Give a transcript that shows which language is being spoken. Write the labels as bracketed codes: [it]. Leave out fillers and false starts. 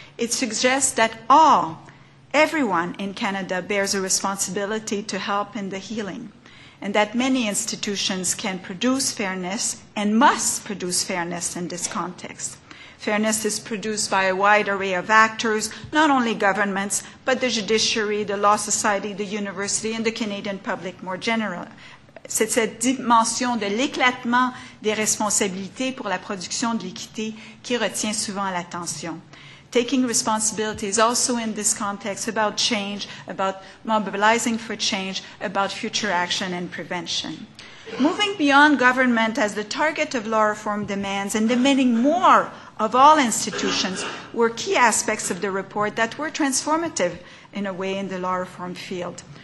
[en] It suggests that everyone in Canada bears a responsibility to help in the healing, and that many institutions can produce fairness and must produce fairness in this context. Fairness is produced by a wide array of actors, not only governments, but the judiciary, the law society, the university, and the Canadian public more generally. [fr] C'est cette dimension de l'éclatement des responsabilités pour la production de l'équité qui retient souvent l'attention. [en] Taking responsibility is also in this context about change, about mobilizing for change, about future action and prevention. Moving beyond government as the target of law reform demands and demanding more of all institutions were key aspects of the report that were transformative in a way in the law reform field.